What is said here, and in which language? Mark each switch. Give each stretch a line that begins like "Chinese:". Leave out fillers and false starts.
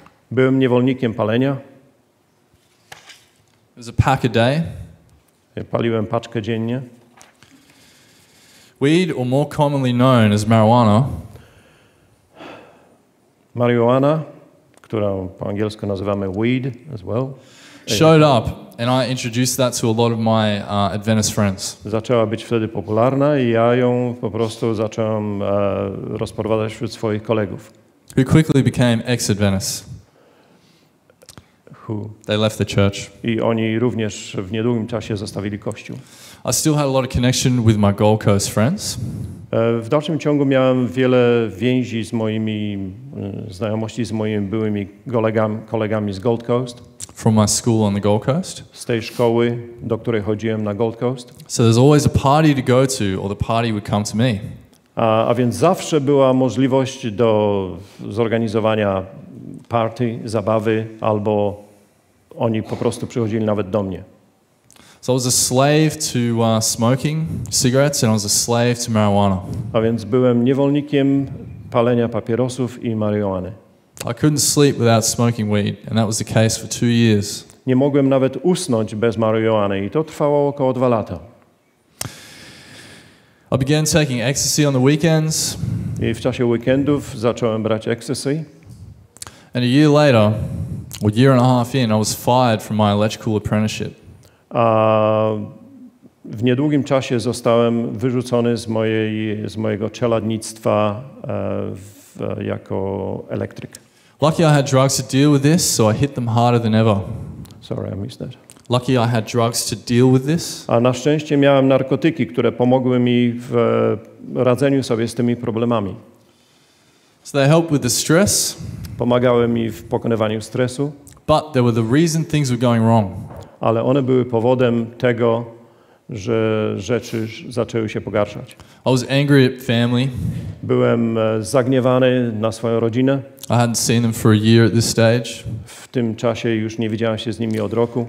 Polish: Byłem niewolnikiem palenia.
English: It was a pack a day.
Polish: Paliłem paczkę dziennie.
English: Weed, or more commonly known as marijuana.
Polish: Marihuana, którą po angielsku nazywamy
English: weed as well. Showed up and I introduced that to a lot of my Adventist friends.
Polish: Zaczęła być wtedy popularna i ja ją po prostu zacząłem rozprowadzać wśród swoich kolegów.
English: Who quickly became ex-Adventists. Who? They left the church.
Polish: I oni również w niedługim czasie zostawili kościół.
English: I still had a lot of connection with my Gold Coast friends.
Polish: W dalszym ciągu miałem wiele więzi z moimi znajomości, z moimi byłymi kolegami z Gold Coast.
English: From my school on the Gold Coast.
Polish: Z tej szkoły, do której chodziłem na Gold Coast.
English: So there's always a party to go to, or the party would come to me.
Polish: A więc zawsze była możliwość do zorganizowania party, zabawy, albo oni po prostu przychodzili nawet do mnie.
English: So I was a slave to smoking cigarettes and I was a slave to marijuana.
Polish: A więc byłem niewolnikiem palenia papierosów i marihuany.
English: I couldn't sleep without smoking weed and that was the case for 2 years.
Polish: Nie mogłem nawet usnąć bez marihuany i to trwało około 2 lata.
English: I began taking ecstasy on the weekends.
Polish: I w czasie weekendów zacząłem brać ecstasy.
English: And a year later, a year and a half in, I was fired from my electrical apprenticeship.
Polish: A w niedługim czasie zostałem wyrzucony z mojego czeladnictwa jako elektryk.
English: Lucky I had drugs to deal with this, so I hit them harder than ever. Sorry, I missed that. Lucky I had drugs to deal with this.
Polish: A na szczęście miałem narkotyki, które pomogły mi w radzeniu sobie z tymi problemami.
English: So they helped with the stress.
Polish: Pomagały mi w pokonywaniu stresu.
English: But they were the reason things were going wrong.
Polish: Ale one były powodem tego, że rzeczy zaczęły się pogarszać.
English: I was angry at family.
Polish: Byłem zagniewany na swoją rodzinę.
English: I hadn't seen them for a year at this stage.
Polish: W tym czasie już nie widziałem się z nimi od roku.